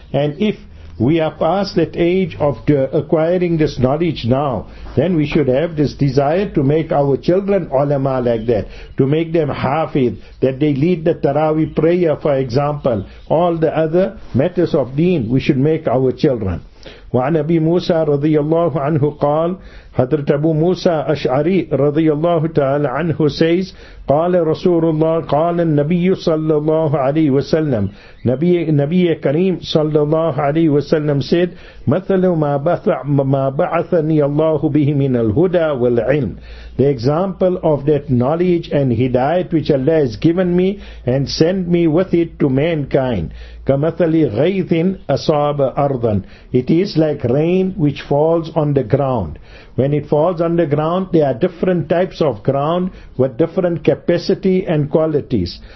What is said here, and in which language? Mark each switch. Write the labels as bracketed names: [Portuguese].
[English] And if we are past that age of acquiring this knowledge now, then we should have this desire to make our children ulama like that, to make them hafid, that they lead the Taraweeh prayer, for example. All the other matters of deen we should make our children. [Arabic] وعن أبي موسى رضي الله عنه قال حضرت أبو موسى أشعري رضي الله تعالى عنه [English] says [Arabic] قال رسول الله قال النبي صلى الله عليه وسلم نبي كريم صلى الله عليه وسلم [English] said [Arabic] مثل ما بعثني الله به من الهدى والعلم. [English] The example of that knowledge and hidayat which Allah has given me and sent me with it to mankind. [Arabic] كَمَثَلِ غَيْثٍ أَصَابَ أَرْضًا. [English] It is like rain which falls on the ground. When it falls on the ground, there are different types of ground with different capacity and qualities.